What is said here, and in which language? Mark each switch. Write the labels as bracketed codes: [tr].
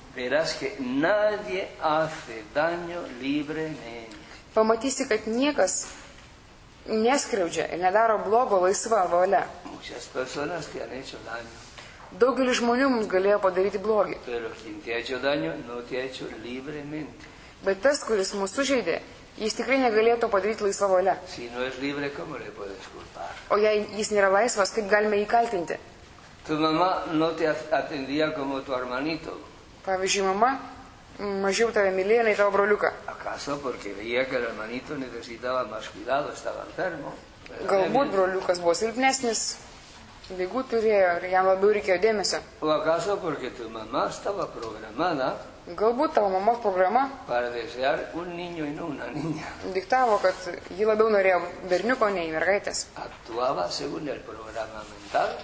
[es] verás que nadie hace daño libremente. [lt] Pamatysi, kad niekas neskriaudžia ir nedaro blogo laisva valia. [es] Muchas personas te han hecho daño. [lt] Daugelis žmonių mums galėjo padaryti blogį. [es] Pero quien te ha hecho daño, no te ha hecho libremente. [lt] Bet tas, kuris mūsų sužeidė, jis tikrai negalėjo to padaryti laisva valia. [es] Si no es libre, ¿cómo le puedes culpar? [lt] O jei jis nėra laisvas, kaip galime jį kaltinti? [es] Tu mama no te atendía como tu hermanito. [lt] Pavyzdžiui, mama mažiau tave mylėjo nei tavo broliuką. [es] Acaso porque veía que el hermanito necesitaba más cuidado, estaba enfermo. [lt] Galbūt broliukas buvo silpnesnis, ligų turėjo ir jam labiau reikėjo dėmesio. [es] Acaso porque tu mama estaba programada. [lt] Galbūt tavo mamos programa [es] para desear un niño y no una niña. [lt] Diktavo, kad ji labiau norėjo berniuko nei mergaitės. [es] Actuaba según el programa mental.